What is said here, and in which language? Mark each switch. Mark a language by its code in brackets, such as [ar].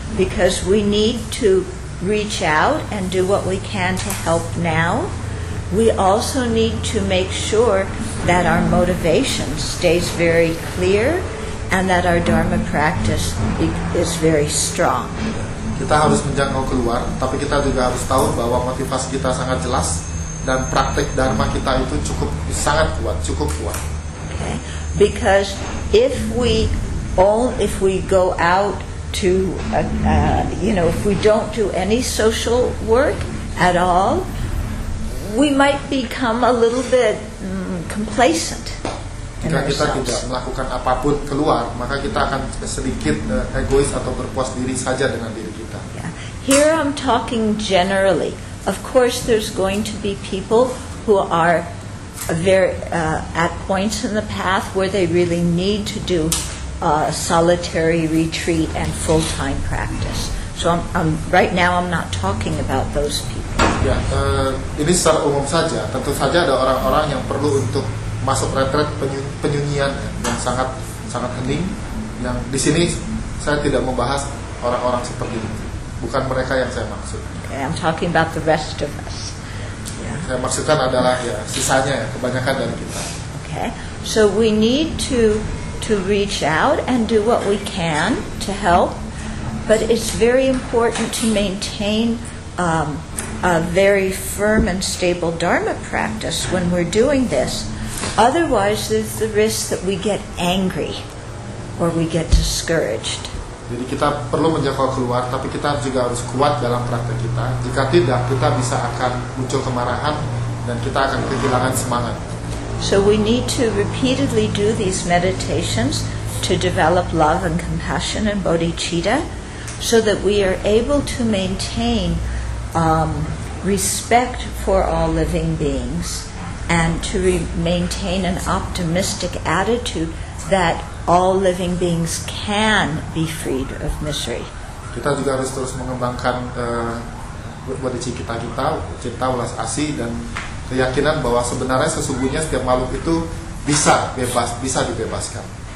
[en] Because we need to reach out and do what we can to help now. We also need to make sure that our motivation stays very clear and that our dharma practice is very strong. [id] Kita harus menjangkau keluar, tapi kita juga harus tahu bahwa motivasi kita sangat jelas dan praktik dharma kita itu cukup kuat. [en] Okay. Because if we go out to if we don't do any social work at all, we might become a little bit complacent. [id] Jika kita tidak melakukan apapun keluar, maka kita akan sedikit egois atau berpuas diri saja dengan diri kita. [en] Yeah. Here I'm talking generally. Of course, there's going to be people who are at points in the path where they really need to do a solitary retreat and full-time practice. So right now I'm not talking about those people. [id] Ya, ini secara umum saja. Tentu saja ada orang-orang yang perlu untuk masuk retret penyunyian yang sangat sangat hening. Yang di sini saya tidak membahas orang-orang seperti itu. Bukan mereka yang saya maksud. [en] Okay, I'm talking about the rest of us. [id] Saya maksudkan adalah ya sisanya ya, kebanyakan dari kita. [en] Okay, so we need to reach out and do what we can to help, but it's very important to maintain a very firm and stable dharma practice when we're doing this. Otherwise, there's the risk that we get angry or we get discouraged. [id] Jadi kita perlu menjangkau keluar, tapi kita juga harus kuat dalam praktek kita. Jika tidak, kita bisa akan muncul kemarahan dan kita akan kehilangan semangat. [en] So we need to repeatedly do these meditations to develop love and compassion and bodhicitta, so that we are able to maintain respect for all living beings and to maintain an optimistic attitude that all living beings can be freed of misery. [id] Kita juga harus terus mengembangkan bodhicitta kita, cinta welas asih dan keyakinan bahwa sebenarnya sesungguhnya setiap makhluk itu bisa dibebaskan.